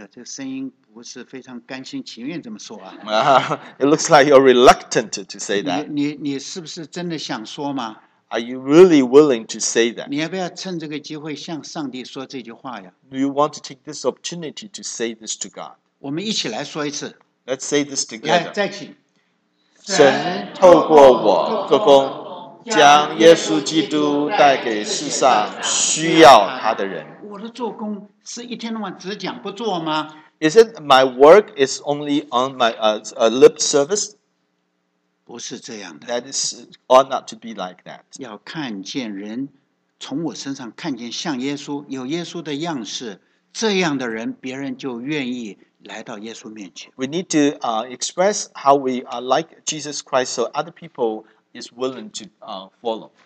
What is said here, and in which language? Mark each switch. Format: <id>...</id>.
<zh>将耶和基督带给世上需要他的人。这声音不是非常甘心情愿这么说啊。</zh> <en>Yeah, it looks like you're reluctant to say that.</en> <zh>你是不是真的想说吗?</zh> <en>Are you really willing to say that?</en> <zh>你要不要趁这个机会向上帝说这句话呀?</zh> <en>Do you want to take this opportunity to say this to God?</en> <zh>我们一起来说一次。</zh> <en>Let's say this together.</en> <zh>来,再请。神透过我做工, 将耶稣基督带给世上需要他的人。我的做工是一天到晚只讲不做吗？</zh> <en>Is it my work is only on my lip service?</en> <zh>不是这样的。</zh> <en>That is ought not to be like that.</en> <zh>要看见人从我身上看见像耶稣有耶稣的样式，这样的人别人就愿意来到耶稣面前。</zh> <en>We need to express how we are like Jesus Christ so other people is willing to follow.</en>